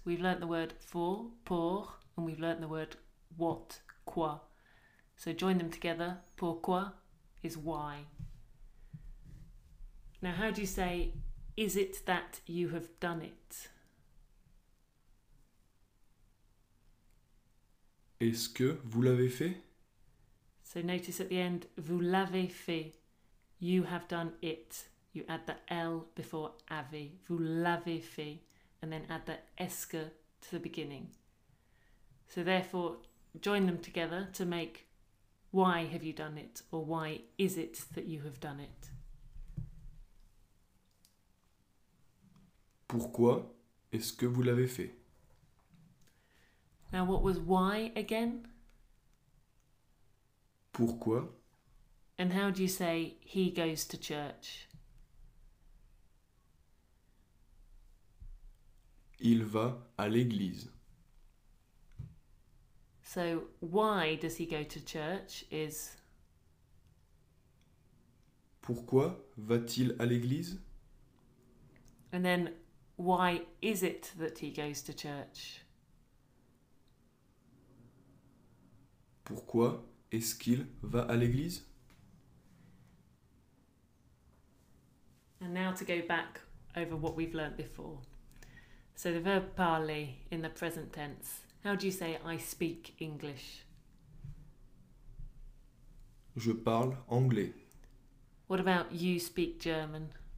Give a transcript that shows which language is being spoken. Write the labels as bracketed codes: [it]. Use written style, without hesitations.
[en] We've learnt the word for, pour, and we've learnt the word what, quoi. So join them together. Pourquoi is why. Now, how do you say, is it that you have done it? [fr] Est-ce que vous l'avez fait? [en] So notice at the end, [fr] vous l'avez fait. [en] You have done it. You add the L before avez. [fr] Vous l'avez fait. [en] And then add the est-ce to the beginning. So therefore, join them together to make why have you done it or why is it that you have done it? [fr] Pourquoi est-ce que vous l'avez fait? [en] Now what was why again? [fr] Pourquoi? [en] And how do you say he goes to church? [fr] Il va à l'église. [en] So why does he go to church is... [fr] Pourquoi va-t-il à l'église? [en] And then why is it that he goes to church? [fr] Pourquoi est-ce qu'il va à l'église? [en] And now to go back over what we've learnt before. So the verb parler in the present tense. How do you say I speak English? [fr] Je parle anglais. [en] What about you speak German?